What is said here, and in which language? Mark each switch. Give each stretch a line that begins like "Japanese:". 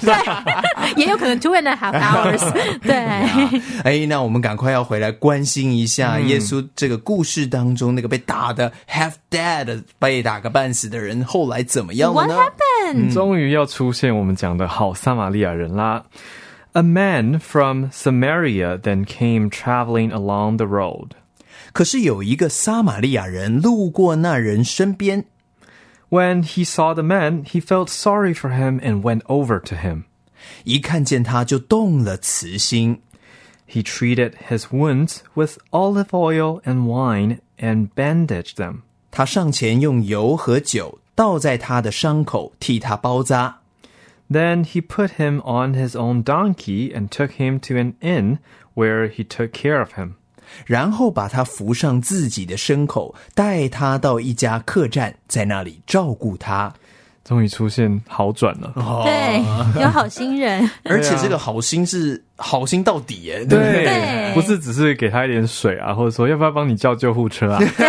Chinese: 对，也有可能
English: two and a half hours，
Chinese: 对，那我们赶快要回来关心一下耶稣这个故事当中那个被打的
English: half dead
Chinese: 被打个半死的人后来怎么样了呢？
English: What happened？
Chinese: 终于要出现我们讲的好撒玛利亚人啦。
English: A man from Samaria then came traveling along the road，
Chinese: 可是有一个撒玛利亚人路过那人身边。
English: When he saw the man, he felt sorry for him and went over to him，
Chinese: 一看见他就动了慈心。
English: He treated his wounds with olive oil and wineand bandage them.
Chinese: 他上前用油和酒倒在他的伤口，替他包扎。
English: Then he put him on his own donkey and took him to an inn where he took care of him.
Chinese: 然后把他扶上自己的牲口，带他到一家客栈，在那里照顾他。终于出现好转了、哦、对，有好心人而且这个好心是好心到底耶，对对, 对，不是只是给他一点水啊，或者说要不要帮你叫救护车啊，